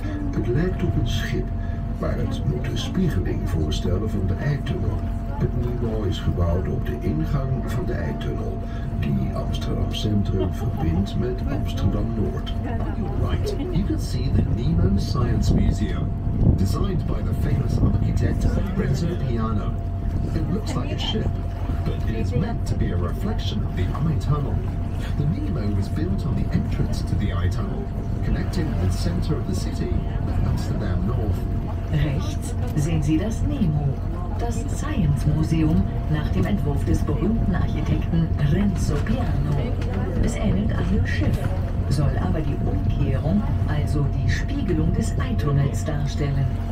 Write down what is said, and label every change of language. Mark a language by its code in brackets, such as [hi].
[nl] Het lijkt op een schip, maar het moet een spiegeling voorstellen van de eitunnel. Het Nemo is gebouwd op de ingang van de eitunnel, die Amsterdam Centrum verbindt met Amsterdam Noord. [en] Right, you can see the Nemo Science Museum, designed by the famous architect Renzo Piano. It looks like a ship, but it is meant to be a reflection of the eye tunnel. The Nemo was built on the entrance to the eye tunnel, connecting the center of the city, Amsterdam North. [de] Rechts sehen Sie das Nemo, das Science Museum nach dem Entwurf des berühmten Architekten Renzo Piano. Es ähnelt einem Schiff, soll aber die Umkehrung, also die Spiegelung des Eitunnels darstellen.